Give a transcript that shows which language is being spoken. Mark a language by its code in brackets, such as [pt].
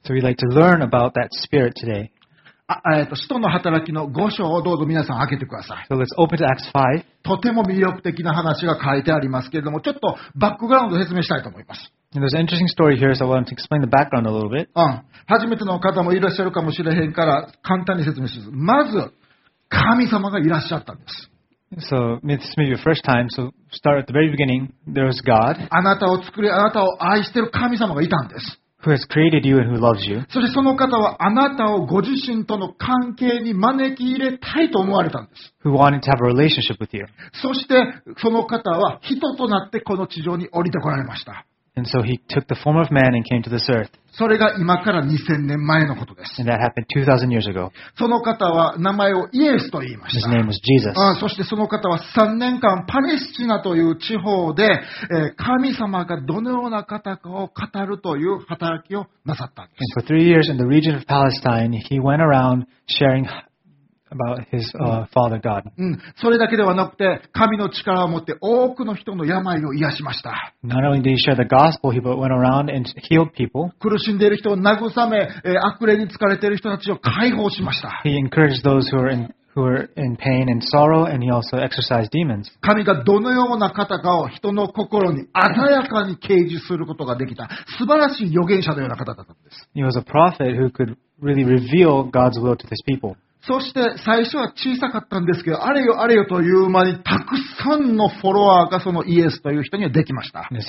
[en] So we'd like to learn about that spirit today. [ja] 使徒の働きの5章をどうぞ皆さん開けてください。 [en] So let's open to Acts 5. [ja] とても魅力的な話が書いてありますけれども、ちょっとバックグラウンドを説明したいと思います。 [en] And there's an interesting story here, so I want to explain the background a little bit. [ja] 初めての方もいらっしゃるかもしれへんから、簡単に説明します。まず、神様がいらっしゃったんです。 [en] So, this may be your first time, so start at the very beginning. There was God. [ja] あなたを作り、あなたを愛してる神様がいたんです。 [en] Who has created you and who loves you. [ja] そしてその方はあなたをご自身との関係に招き入れたいと思われたんです。 [en] Who wanted to have a relationship with you. [ja] そしてその方は人となってこの地上に降りてこられました。 [en] And so he took the form of man and came to this earth. [ja] それが今から2000年前のことです。 [en] And that happened 2000 years ago. [ja] その方は名前をイエスと言いました。 [en] His name was Jesus. [ja] あ、そしてその方は3年間パレスチナという地方で、神様がどのような方かを語るという働きをなさったんです。 [en] And for 3 years in the region of Palestine, he went around sharing about his father God. [ja] それだけではなくて、神の力を持って多くの人の病を癒しました。 [en] Not only did he share the gospel, he went around and healed people. [ja] 苦しんでいる人を慰め、悪霊に疲れている人たちを解放しました。 [en] He encouraged those who were in pain and sorrow, and he also exorcised demons. [ja] 神がどのような方かを人の心に鮮やかに啓示することができた、素晴らしい預言者のような方だったんです。 [en] He was a prophet who could really reveal God's will to these people. [ja] そして最初は小さかったんですけど、あれよあれよという間にたくさんのフォロワーがそのイエスという人にはできました。